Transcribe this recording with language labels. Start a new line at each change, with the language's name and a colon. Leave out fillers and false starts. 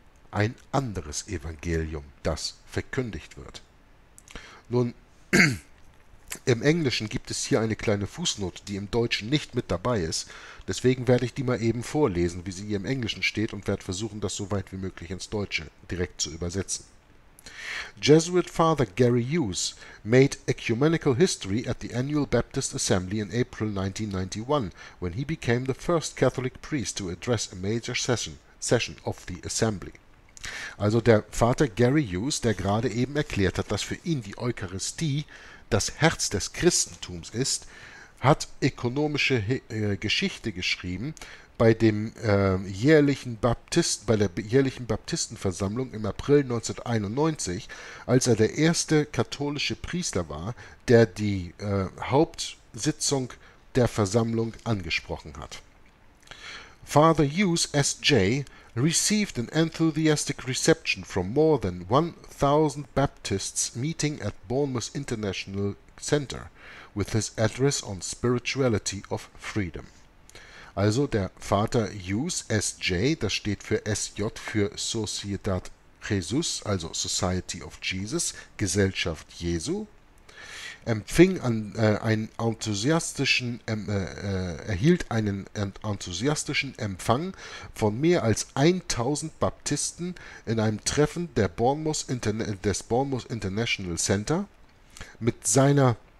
German: Ein anderes Evangelium, das verkündigt wird. Nun, im Englischen gibt es hier eine kleine Fußnote, die im Deutschen nicht mit dabei ist. Deswegen werde ich die mal eben vorlesen, wie sie hier im Englischen steht, und werde versuchen, das so weit wie möglich ins Deutsche direkt zu übersetzen.
English: Jesuit Father Gary Hughes made ecumenical history at the annual Baptist Assembly in April 1991 when he became the first Catholic priest to address a major session of the Assembly.
German: Also der Vater Gary Hughes, der gerade eben erklärt hat, dass für ihn die Eucharistie das Herz des Christentums ist, hat ökonomische Geschichte geschrieben bei dem jährlichen Baptistenversammlung im April 1991, als er der erste katholische Priester war, der die Hauptsitzung der Versammlung angesprochen hat.
English: Father Hughes S.J. received an enthusiastic reception from more than 1,000 Baptists meeting at Bournemouth International Center with his address on spirituality of freedom.
German: Also der Vater Hughes, S.J., das steht für S.J., für Sociedad Jesus, also Society of Jesus, Gesellschaft Jesu, erhielt einen enthusiastischen Empfang von mehr als 1000 Baptisten in einem Treffen des Bournemouth International Center mit seiner